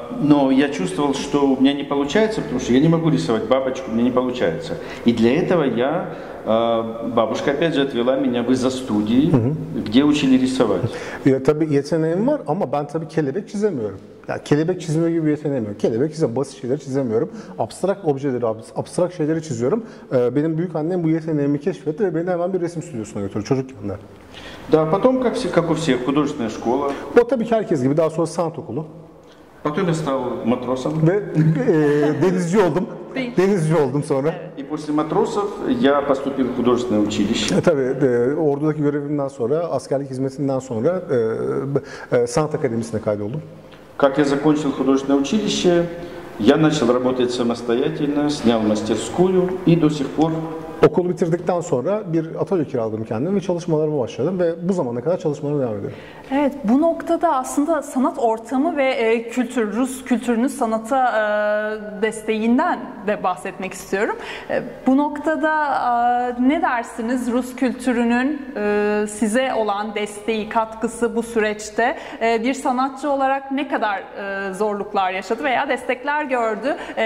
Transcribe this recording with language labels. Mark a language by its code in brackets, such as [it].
[ru] Но я чувствовал, что у меня не получается, потому что я не могу рисовать бабочку, у меня не получается. И для этого я, бабушка опять же отвела меня в изо-студии, где учили рисовать. [tr] Tabii yeteneğim var ama ben tabii kelebek çizemiyorum. Ya kelebek çizme gibi bir yeteneğim yok. Kelebek ise basit şeyler çizemiyorum. Abstrakt objeleri, abstrakt şeyleri çiziyorum. Benim büyük annem bu yeteneğimi keşfetti ve beni hemen bir resim stüdyosuna götürdü çocukken de. [ru] Да, потом как у всех художественная школа. [tr] Вот tabii ki herkes gibi daha sonra sanat okulu. [ru] Потом я стал матросом. [tr] Ve denizci oldum. Ты из Звёздом сонра. [ru] И после матросов я поступил в художественное училище. [tr] Tabii, ordudaki görevimden sonra, askerlik hizmetinden sonra sanat akademisine kaydoldum. [ru] Как я закончил художественное училище, я начал работать самостоятельно, снял мастерскую и до сих пор. [tr] Okulu bitirdikten sonra bir atölye kiraladım kendime ve çalışmalarıma başladım ve bu zamana kadar çalışmalarıma devam ediyorum. Evet, bu noktada aslında sanat ortamı ve kültür, Rus kültürünün sanata desteğinden de bahsetmek istiyorum. Bu noktada ne dersiniz Rus kültürünün size olan desteği, katkısı bu süreçte bir sanatçı olarak ne kadar zorluklar yaşadı veya destekler gördü?